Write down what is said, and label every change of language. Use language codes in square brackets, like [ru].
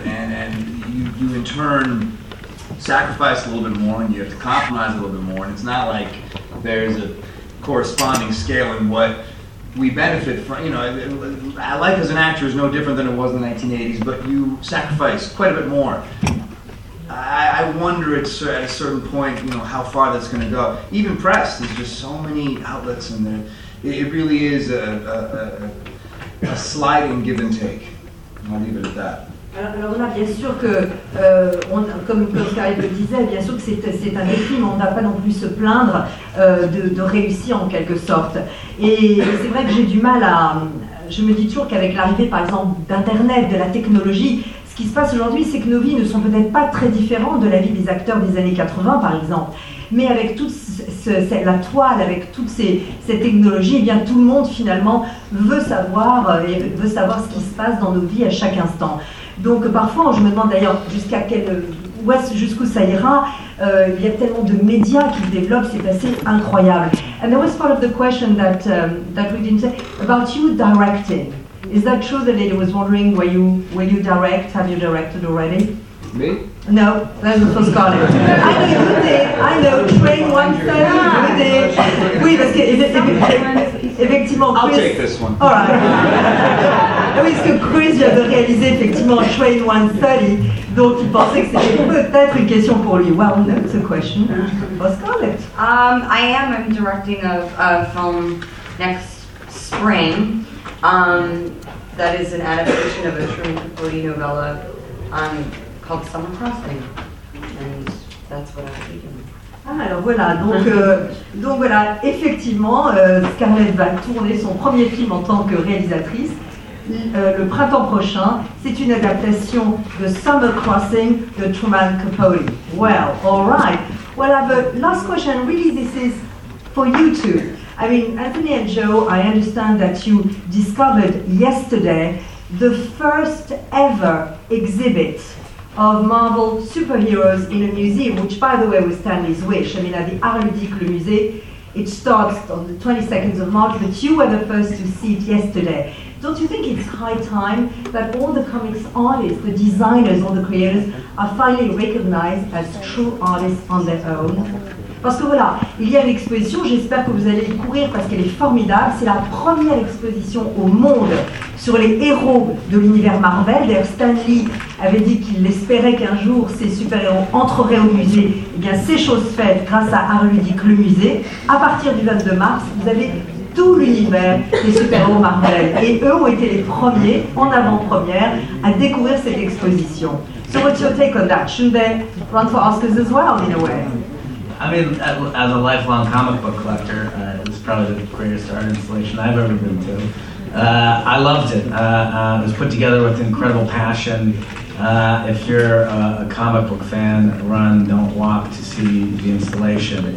[en] And you in turn sacrifice a little bit more, and you have to compromise a little bit more. And it's not like there's a corresponding scale in what we benefit from, you know, life as an actor is no different than it was in the 1980s, but you sacrifice quite a bit more. I wonder at a certain point, you know, how far that's going to go. Even press, there's just so many outlets in there. It really is a sliding give and take. I'll leave it at that. [fr] Alors là, bien sûr que, comme Karine le disait, bien sûr que c'est un défi, mais on n'a pas non plus se plaindre de réussir en quelque sorte. Et c'est vrai que j'ai du mal à... Je me dis toujours qu'avec l'arrivée, par exemple, d'Internet, de la technologie, ce qui se passe aujourd'hui, c'est que nos vies ne sont peut-être pas très différentes de la vie des acteurs des années 80, par exemple. Mais avec toute la toile, avec toutes ces technologies, eh bien, tout le monde, finalement, veut savoir ce qui se passe dans nos vies à chaque instant. Donc parfois, je me demande d'ailleurs jusqu'où ça ira. Il y a tellement de médias qui se développent, c'est assez incroyable. [en] And there was part of the question that that we didn't say about you directing. Is that true? The lady was wondering where you direct? Have you directed already? Me? No, that was for Scarlett. I know. [fr] Train 1:30. Oui, parce que effectivement, Chris. [en] I'll take this one. All right. [fr] Oui, parce que Chris vient de réaliser effectivement Train 1:30, donc il pensait que c'était peut-être une question pour lui. [en] Well, no, it's a question for Scarlett. I'm directing a film next spring. That is an adaptation of a Truman Capote novella called Summer Crossing, and that's what I'm thinking. [fr] Ah, alors voilà, donc voilà, effectivement, Scarlett va tourner son premier film en tant que réalisatrice. Le printemps prochain, c'est une adaptation de Summer Crossing de Truman Capote. [en] Well, all right. Well, I have a last question. Really, this is for you two. I mean, Anthony and Joe, I understand that you discovered yesterday the first ever exhibit of Marvel superheroes in a museum, which, by the way, was Stanley's wish. I mean, at the Art Ludique, Le Musée, it starts on the 22nd of March, but you were the first to see it yesterday. Don't you think it's high time that all the comics artists, the designers, all the creators, are finally recognized as true artists on their own? [fr] Parce que voilà, il y a une exposition, j'espère que vous allez y courir parce qu'elle est formidable. C'est la première exposition au monde sur les héros de l'univers Marvel. D'ailleurs, Stan Lee avait dit qu'il espérait qu'un jour ces super-héros entreraient au musée. Eh bien, c'est chose faite grâce à Art Ludique, le musée. À partir du 22 mars, vous avez tout l'univers des super-héros Marvel. Et eux ont été les premiers, en avant-première, à découvrir cette exposition. [en] So what's your take on that? Shouldn't they run for Oscars as well, in a way? I mean, as a lifelong comic book collector, it was probably the greatest art installation I've ever been to. I loved it. It was put together with incredible passion. If you're a comic book fan, run, don't walk to see the installation.